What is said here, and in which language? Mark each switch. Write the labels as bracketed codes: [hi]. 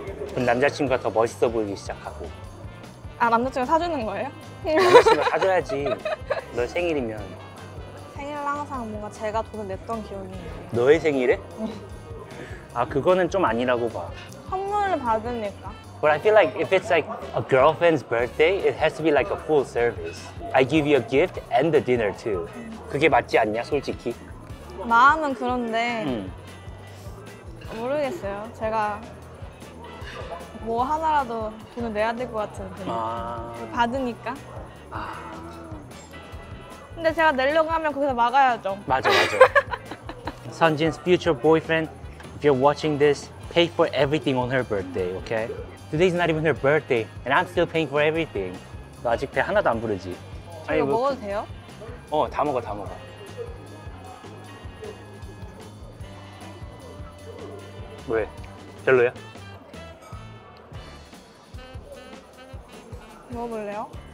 [ko] 그럼 남자친구가 더 멋있어 보이기 시작하고. 아, 남자친구 사주는 거예요? 남자친구 사줘야지. 너 생일이면. 생일 항상 뭔가 제가 돈을 냈던 기억이. 너의 생일에? 아, 그거는 좀 아니라고 봐. 선물을 받으니까. [en] But I feel like if it's like a girlfriend's birthday, it has to be like a full service. I give you a gift and the dinner too. [ko] 그게 맞지 않냐, 솔직히? 마음은 그런데 모르겠어요. 제가 뭐 하나라도 돈을 내야 될 것 같은데 아... 받으니까. 아... 근데 제가 내려고 하면 거기서 막아야죠. 맞아, 맞아. [en] Sunjin's future boyfriend, if you're watching this, pay for everything on her birthday, okay? Today's not even her birthday, and I'm still paying for everything. [ko] 너 아직 배 하나도 안 부르지? 저 이거 먹어도 돼요? 어, 다 먹어, 다 먹어. 왜? 별로야? 먹어볼래요?